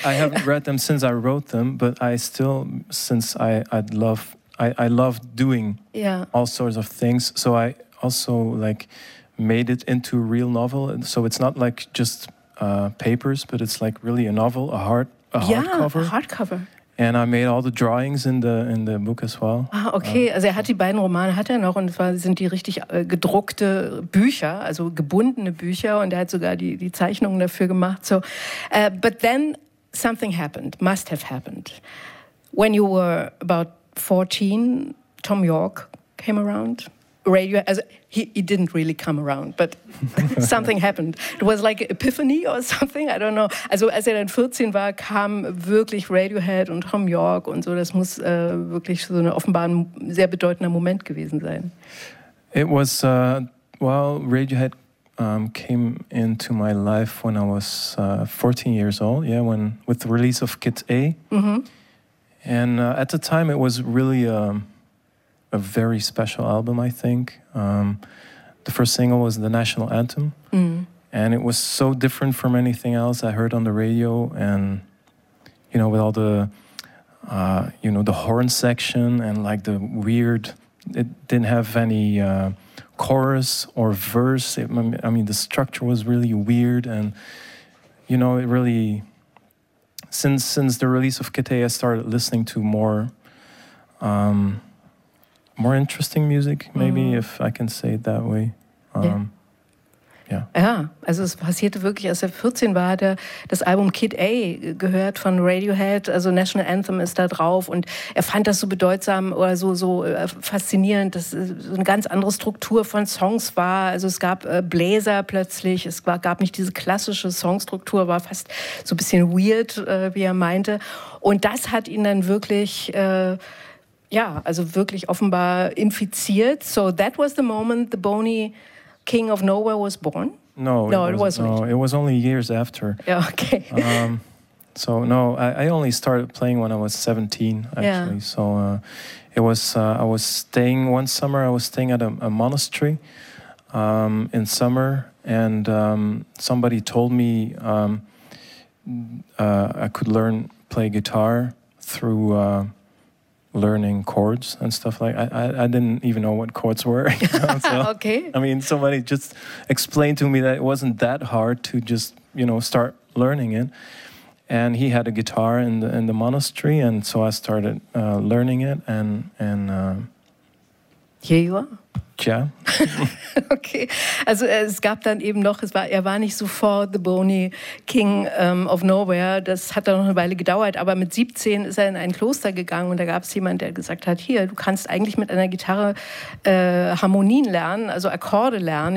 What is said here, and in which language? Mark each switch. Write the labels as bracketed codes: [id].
[en] Well, I haven't read them since I wrote them, but I still, since I love doing all sorts of things, so I also like made it into a real novel, and so it's not like just papers, but it's like really a novel, a hardcover. And I made all the drawings in the book as well. Ah, okay. [de] Also er hat die beiden Romane, hat er noch, und zwar sind die richtig gedruckte Bücher, also gebundene Bücher, und er hat sogar die Zeichnungen dafür gemacht. [en] So, but then something happened, must have happened. When you were about 14, Tom York came around. Radio, also he didn't really come around, but something happened. It was like epiphany or something, I don't know. [de] Also als er dann 14 war, kam wirklich Radiohead und Tom York und so. Das muss wirklich so eine offenbar ein sehr bedeutender Moment gewesen sein. [en] It was, Radiohead came into my life when I was 14 years old, with the release of Kid A. Mm-hmm. And at the time it was really... a very special album, I think. The first single was The National Anthem. Mm. And it was so different from anything else I heard on the radio. And, you know, with all the, you know, the horn section and like the weird, it didn't have any chorus or verse. I mean, the structure was really weird. And, you know, it really, since the release of Kete, I started listening to more, more interesting music, maybe, if I can say it that way. [de] Ja, also es passierte wirklich, als er 14 war, hat er das Album Kid A gehört von Radiohead, also National Anthem ist da drauf und er fand das so bedeutsam oder so faszinierend, dass es so eine ganz andere Struktur von Songs war, also es gab Bläser plötzlich, gab nicht diese klassische Songstruktur, war fast so ein bisschen weird, wie er meinte und das hat ihn dann wirklich... Ja, also wirklich offenbar infiziert. [en] So that was the moment the Boney King of Nowhere was born? No, it wasn't. No, it was only years after. Yeah, okay. I only started playing when I was 17, actually. Yeah. So I was staying one summer. I was staying at a monastery in summer. And somebody told me I could learn play guitar through... learning chords and stuff like I didn't even know what chords were. You know, so, okay. I mean, somebody just explained to me that it wasn't that hard to just, you know, start learning it. And he had a guitar in the monastery, and so I started learning it. And here you are. [de] Ja. Okay, also es gab dann eben noch, er war nicht sofort the Boney King of Nowhere, das hat dann noch eine Weile gedauert, aber mit 17 ist er in ein Kloster gegangen und da gab es jemanden, der gesagt hat, hier, du kannst eigentlich mit einer Gitarre Harmonien lernen, also Akkorde lernen.